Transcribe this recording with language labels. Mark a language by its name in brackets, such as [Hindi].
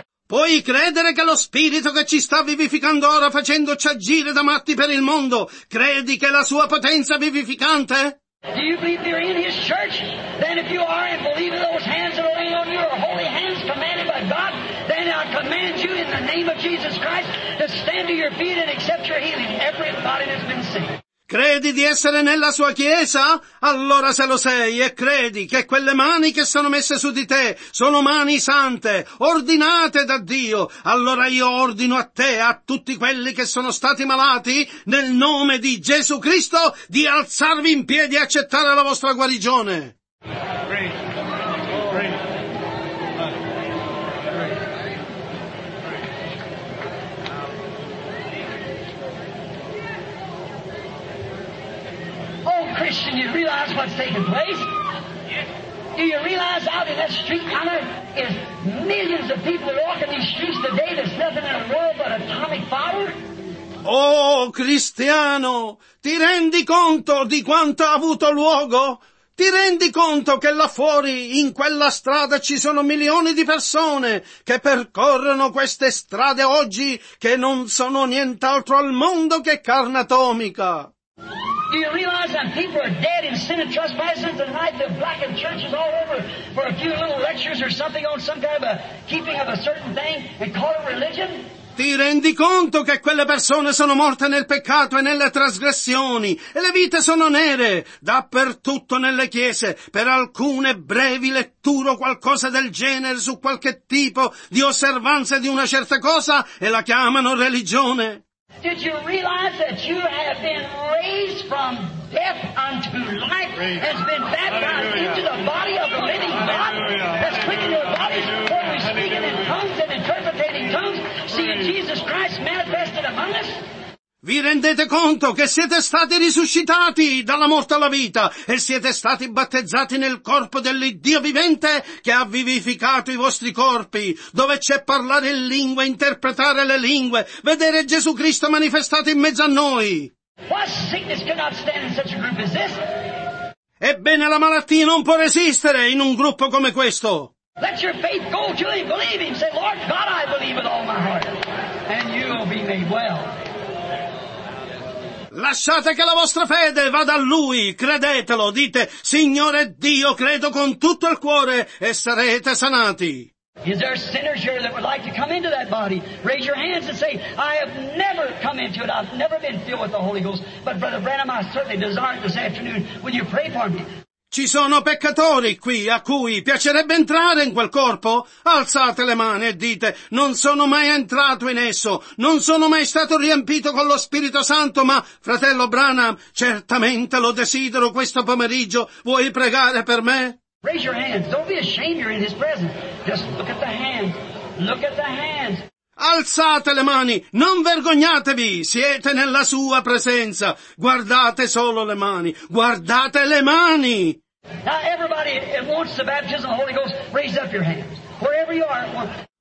[Italian] Puoi credere che lo Spirito che ci sta vivificando ora facendoci agire da matti per il mondo, credi che la sua potenza vivificante? [English] Do you believe you're in his church? Then if you are and believe in those hands that are laying on you are holy hands commanded by God, then I command you in the name of Jesus Christ to stand to your feet and accept your healing. Everybody that's been saved. [Italian] Credi di essere nella sua chiesa? Allora se lo sei e credi che quelle mani che sono messe su di te sono mani sante, ordinate da Dio, allora io ordino a te e a tutti quelli che sono stati malati, nel nome di Gesù Cristo, di alzarvi in piedi e accettare la vostra guarigione. [English] Christian, you realize what's taking place? Do you realize out in that street corner is millions of people walking these streets today that's nothing in the world but atomic fire? [Italian] Oh, Cristiano, ti rendi conto di quanto ha avuto luogo? Ti rendi conto che là fuori, in quella strada, ci sono milioni di persone che percorrono queste strade oggi che non sono nient'altro al mondo che carne atomica? [English] Do you realize that people are dead in sin and trespasses tonight? They've blackened churches all over for a few little lectures or something on some kind of a keeping of a certain thing and call it religion? [Italian] Ti rendi conto che quelle persone sono morte nel peccato e nelle trasgressioni e le vite sono nere dappertutto nelle chiese per alcune brevi letture o qualcosa del genere su qualche tipo di osservanza di una certa cosa e la chiamano religione? [English] Did you realize that you have been raised from death unto life, has been baptized Hallelujah. Into the body of the living God, Hallelujah. Has quickened your bodies for we speak in tongues and interpreting tongues, seeing Jesus Christ manifested among us? [Italian] Vi rendete conto che siete stati risuscitati dalla morte alla vita e siete stati battezzati nel corpo dell'Iddio vivente che ha vivificato i vostri corpi, dove c'è parlare in lingua, interpretare le lingue, vedere Gesù Cristo manifestato in mezzo a noi. [English] What sickness cannot stand in such a group as this? [Italian] Ebbene, la malattia non può resistere in un gruppo come questo. [English] Let your faith go to him, believe him, say, Lord God, I believe with all my heart, and you will be made well. [Italian] Lasciate che la vostra fede vada a Lui, credetelo, dite, Signore Dio, credo con tutto il cuore e sarete sanati. [English] Is there sinners here that would like to come into that body? Raise your hands and say, I have never come into it, I've never been filled with the Holy Ghost, but Brother Branham, I certainly desire it this afternoon, will you pray for me? [Italian] Ci sono peccatori qui a cui piacerebbe entrare in quel corpo? Alzate le mani e dite, non sono mai entrato in esso, non sono mai stato riempito con lo Spirito Santo, ma, fratello Branham, certamente lo desidero questo pomeriggio. Vuoi pregare per me? [English] Raise your hands. Don't be ashamed you're in his presence. Just look at the hands. Look at the hands. [Italian] alzate le mani, non vergognatevi, siete nella sua presenza, guardate solo le mani, guardate le mani. [English] Now everybody that wants the baptism of the Holy Ghost, raise up your hands, wherever you are.